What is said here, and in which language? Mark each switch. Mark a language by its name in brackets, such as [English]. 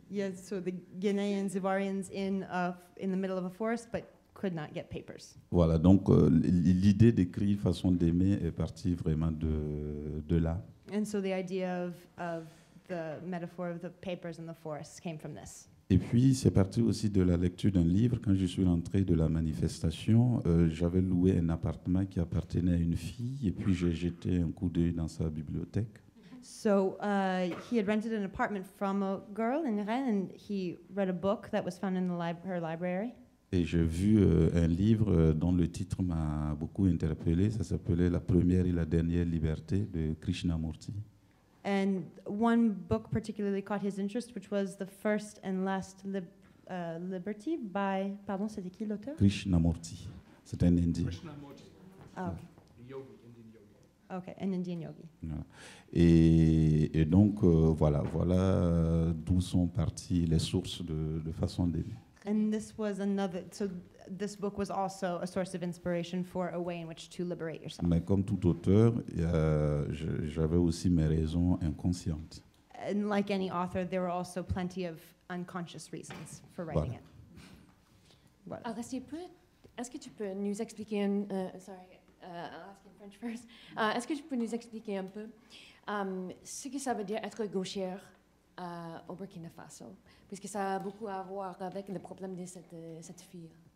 [English] Yes, so the Guineans, Ivoirians in the middle of a forest, but could not get papers. [French] Voilà, donc l'idée d'écrire Façon d'aimer est partie vraiment de là. [English] And so the idea of the metaphor of the papers in the forest came from this. [French] Et puis, c'est parti aussi de la lecture d'un livre. Quand je suis rentré de la manifestation, j'avais loué un appartement qui appartenait à une fille, et puis j'ai jeté un coup d'œil dans sa bibliothèque. [English] So, he had rented an apartment from a girl in Rennes, and he read a book that was found in her library. [French] Et j'ai vu un livre dont le titre m'a beaucoup interpellé. Ça s'appelait La première et la dernière liberté de Krishnamurti. [English] And one book particularly caught his interest, which was The First and Last Liberty by, pardon, [French] c'était qui l'auteur? Krishnamurti. C'est un Indien. Krishnamurti. Oh. [English] Yogi, Indian yogi. Okay, an Indian yogi. [French] Voilà. Et donc, voilà d'où sont parties les sources de Façon d'aimer. [English] And this was another, so this book was also a source of inspiration for a way in which to liberate yourself. [French] Mais comme tout auteur, j'avais aussi mes raisons inconscientes. [English] And like any author, there were also plenty of unconscious reasons for writing [French] voilà. [English] It. [French] Voilà. Alors, est-ce que tu peux nous expliquer, [English] I'll ask in French first. [French] Est-ce que tu peux nous expliquer un peu ce que ça veut dire être gauchère au Burkina Faso, puisque ça a beaucoup à voir avec le problème de cette fille.